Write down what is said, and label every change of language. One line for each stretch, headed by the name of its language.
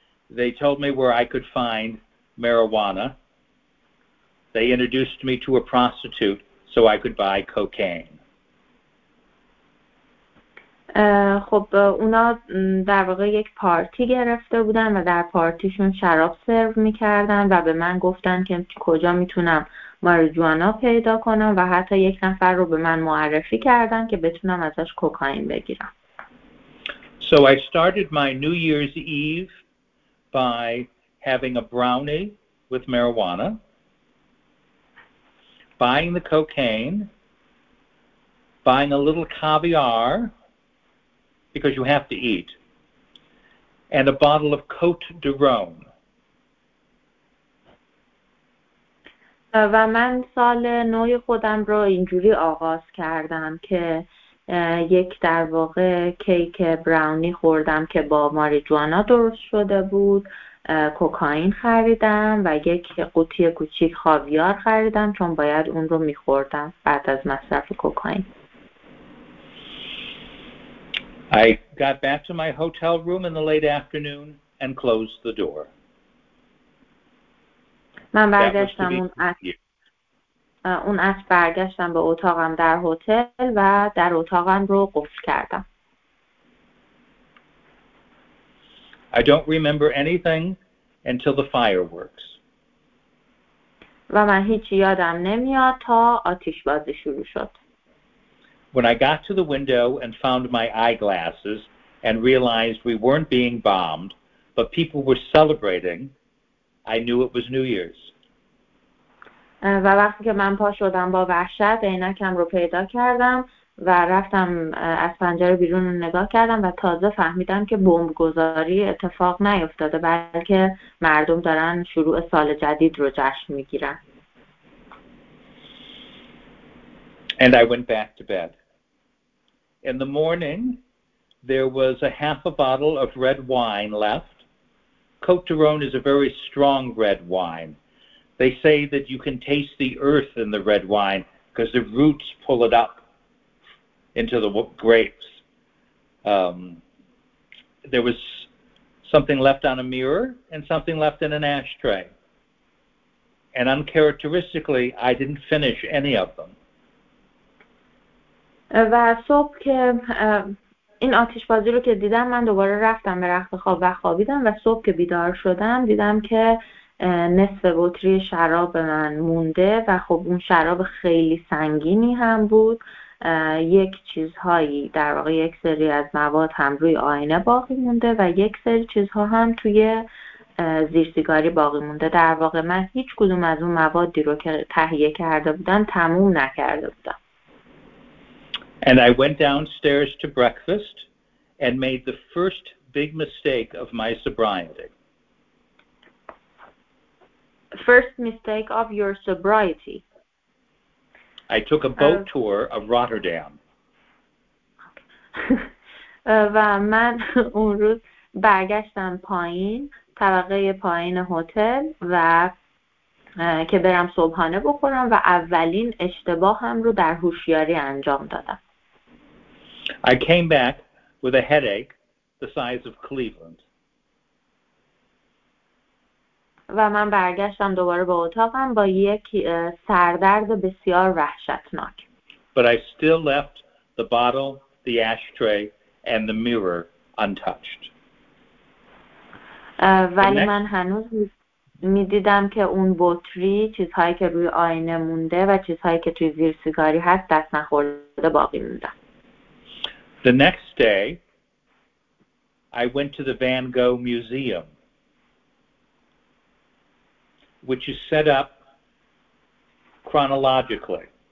English: They told me where I could find marijuana. They introduced me to a prostitute so I could buy cocaine.
Persian: خب اونا در واقع یک پارتی گرفته بودن و در پارتیشون شراب سرو میکردن و به من گفتن که کجا میتونم ماریجوانا پیدا کنم و حتی یک نفر رو به من معرفی کردن که بتونم ازش کوکائین بگیرم.
English: So I started my New Year's Eve by having a brownie with marijuana, buying the cocaine, buying a little caviar, because you have to eat, and a bottle of Cote de Rhone.
Persian: و من سال نو خودم رو اینجوری آغاز کردم که یک در واقع کیک براونی خوردم که با ماریجوانا درست شده بود، کوکائین خریدم و یک قوطی کوچیک خاویار خریدم چون باید اون رو می‌خوردم بعد از مصرف کوکائین.
English: I got back to my hotel room in the late afternoon and closed the door.
Persian: من برگشتم اون عصر برگشتم به اتاقم در هتل و در اتاقم رو قفل کردم.
English: I don't remember anything until the fireworks.
Persian: و من هیچ یادم نمیاد تا آتش بازی شروع شد.
English: When I got to the window and found my eyeglasses and realized we weren't being bombed, but people were celebrating, I knew it was New Year's.
Persian: و وقتی که من پا شدم با وحشت عینکم رو پیدا کردم و رفتم از پنجره بیرون رو نگاه کردم و تازه فهمیدم که بمب گذاری اتفاق نیفتاده بلکه مردم دارن شروع سال جدید رو جشن میگیرن.
English: And I went back to bed. In the morning, there was a half a bottle of red wine left. Cote de Rhone is a very strong red wine. They say that you can taste the earth in the red wine because the roots pull it up into the grapes. There was something left on a mirror and something left in an ashtray. And uncharacteristically, I didn't finish any of them.
Persian: و صبح که این آتش بازی رو که دیدم من دوباره رفتم به رخت خواب و خوابیدم و صبح که بیدار شدم دیدم که نصف بطری شراب من مونده و خب اون شراب خیلی سنگینی هم بود، یک چیزهایی در واقع یک سری از مواد هم روی آینه باقی مونده و یک سری چیزها هم توی زیر سیگاری باقی مونده. در واقع من هیچ کدوم از اون موادی رو که تهیه کرده بودم تموم نکرده بودم.
English: And I went downstairs to breakfast and made the first big mistake of my sobriety. First mistake of your sobriety. I took a boat tour of Rotterdam.
Persian: و من اون روز برگشتم پایین طبقه پایین هتل و که برم صبحانه بخورم و اولین اشتباهم رو در هوشیاری انجام دادم.
English: I came back with a headache the size of Cleveland.
Persian: و من برگشتم دوباره به اتاقم با یک سردرد بسیار وحشتناک.
English: But I still left the bottle, the ashtray and the mirror untouched.
Persian: ولی من هنوز می دیدم که اون بطری چیزهایی که روی آینه مونده و چیزهایی که توی زیر سیگاری هست دست نخورده باقی موندن.
English: The next day I went to the Van Gogh Museum, which is set up chronologically.